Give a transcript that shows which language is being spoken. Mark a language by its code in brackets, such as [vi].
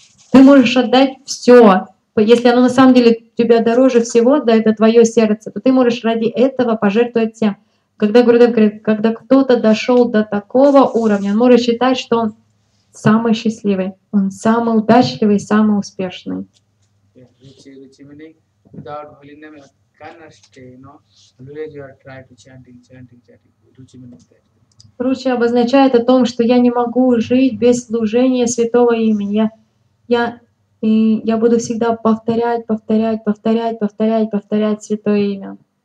[ru] Ты можешь отдать все. Если оно на самом деле тебе дороже всего, да, это твое сердце, то ты можешь ради этого пожертвовать всем. Когда Гурудев говорит, когда кто-то дошел до такого уровня, он может считать, что он самый счастливый, он самый удачливый, самый успешный. [en] Ruchi, ruchi meaning without holy name you cannot stay, you know. Always you are trying to chanting, chanting, chanting. Ruchi meaning that. [ru] Ruchi обозначает о том, что я не могу жить без служения святого имени. Я буду всегда повторять, повторять, повторять, повторять, повторять святое имя.